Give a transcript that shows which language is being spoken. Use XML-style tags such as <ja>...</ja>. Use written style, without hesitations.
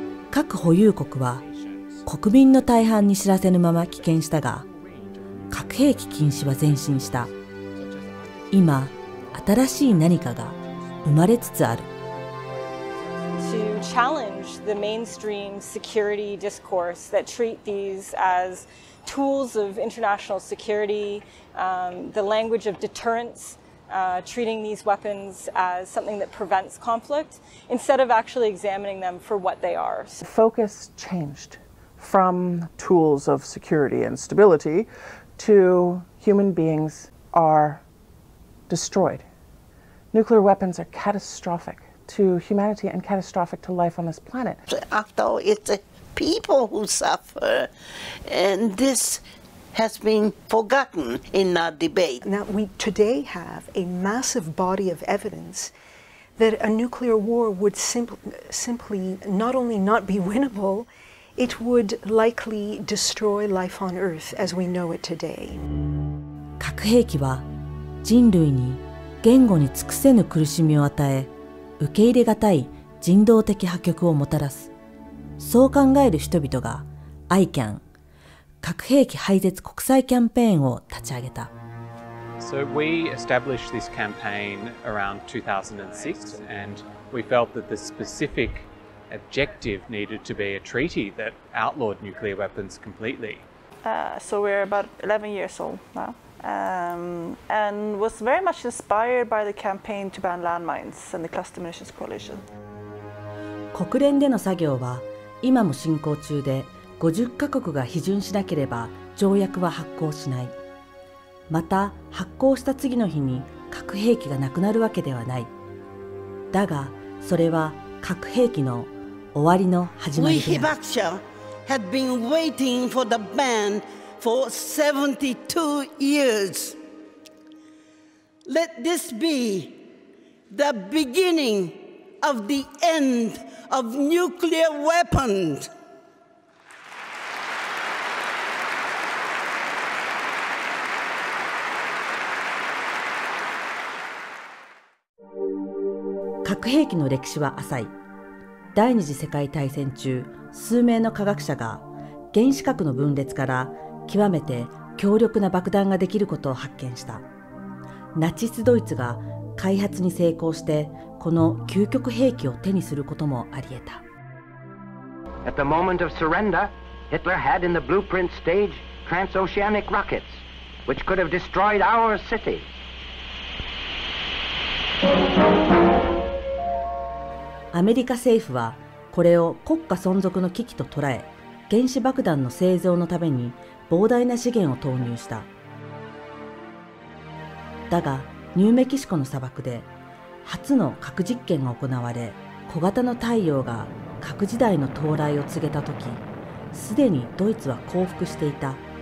<ja>核保有国は国民の大半に知らせぬまま棄権したが、核兵器禁止は前進した。今、新しい何かが生まれつつある。</ja> <en>To challenge the mainstream security discourse that treat these as tools of international security, the language of deterrence, treating these weapons as something that prevents conflict, instead of actually examining them for what they are. Focus changed from tools of security and stability to human beings are destroyed. Nuclear weapons are catastrophic to humanity and catastrophic to life on this planet. After all, it's the people who suffer, and this has been forgotten in our debate. Now, we today have a massive body of evidence that a nuclear war would simply not only not be winnable, it would likely destroy life on Earth as we know it today.</en> <ja>核兵器は人類に言語に尽くせぬ苦しみを与え、受け入れがたい人道的破局をもたらす。そう考える人々が ICAN 核兵器廃絶国際キャンペーンを立ち上げた。</ja> <en>So we established this campaign around 2006 and we felt that the specific objective needed to be a treaty that outlawed nuclear weapons completely. So we're about 11 years old now. And was very much inspired by the campaign to ban landmines and the cluster munitions coalition.</en> <ja>国連での作業は今も進行中で、50カ国が批准しなければ条約は発効しない。また発効した次の日に核兵器がなくなるわけではない。だがそれは核兵器の終わりの始まりである。</ja> <en>We</en> <ja>被爆者</ja> <en>had been waiting for the ban for 72 years. Let this be the beginning of the end of nuclear weapons.</en> <ja>核兵器の歴史は浅い。第二次世界大戦中、数名の科学者が原子核の分裂から極めて強力な爆弾ができることを発見した。ナチスドイツが開発に成功してこの究極兵器を手にすることもあり得た。</ja> <en>At the moment of surrender, Hitler had in the blueprint stage transoceanic rockets, which could have destroyed our city.</en> <ja>アメリカ政府はこれを国家存続の危機と捉え、原子爆弾の製造のために膨大な資源を投入した。だがニューメキシコの砂漠で初の核実験が行われ、小型の太陽が核時代の到来を告げた時、すでにドイツは降伏していた。</ja>